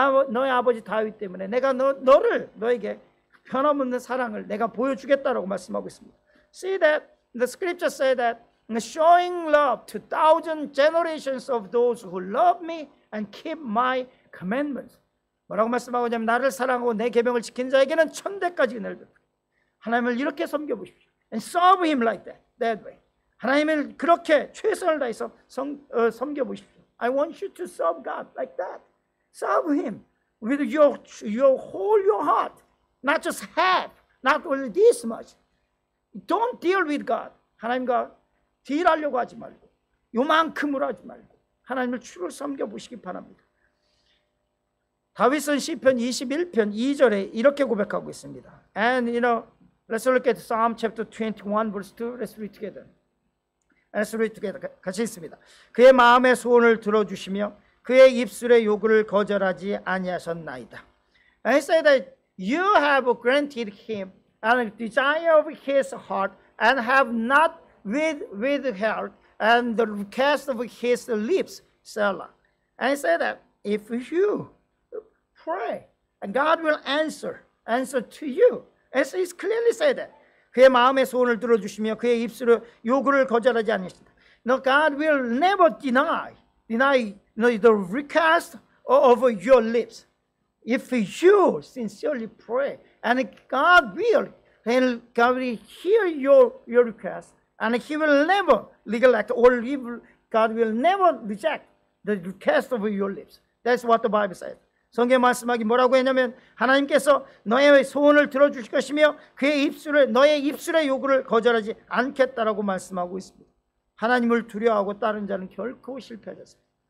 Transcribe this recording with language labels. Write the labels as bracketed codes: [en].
[ko] 너의 아버지 다윗 때문에 내가 너를 너에게 변함없는 사랑을 내가 보여주겠다라고 말씀하고 있습니다. [en] See that the scripture said that showing love to thousand generations of those who love me and keep my commandments. [ko] 뭐라고 말씀하고 있냐면 나를 사랑하고 내 계명을 지킨 자에게는 천대까지 은혜를 베푸십시오. 하나님을 이렇게 섬겨보십시오. [en] And serve him like that way. [ko] 하나님을 그렇게 최선을 다해서 섬겨보십시오. [en] I want you to serve God like that. Serve him with your whole your heart. Not just half, not only this much. Don't deal with God. [ko] 하나님과 딜하려고 하지 말고 요만큼으로 하지 말고 하나님을 주를 섬겨보시기 바랍니다. 다윗은 시편 21편 2절에 이렇게 고백하고 있습니다. [en] And you know, let's look at Psalm chapter 21 verse 2. Let's read together. Let's read together. [ko] 같이 읽습니다. 그의 마음의 소원을 들어주시며 그의 입술의 요구를 거절하지 아니하셨나이다. [en] And he said that you have granted him a desire of his heart and have not withheld and the request of his lips, Selah. And he said that if you pray, and God will answer to you. And so it's clearly said that. [ko] 그의 마음의 소원을 들어주시며 그의 입술의 요구를 거절하지 않으십니다. [en] No, God will never deny you know, the request of your lips. If you sincerely pray, and God will, then God will hear your request, and he will never neglect, or God will never reject the request of your lips. That's what the Bible says. [ko] 성경 말씀하기 뭐라고 했냐면 하나님께서 너의 소원을 들어주실 것이며 그의 입술을 너의 입술의 요구를 거절하지 않겠다라고 말씀하고 있습니다. 하나님을 두려워하고 따른 자는 결코 실패하셨습니다.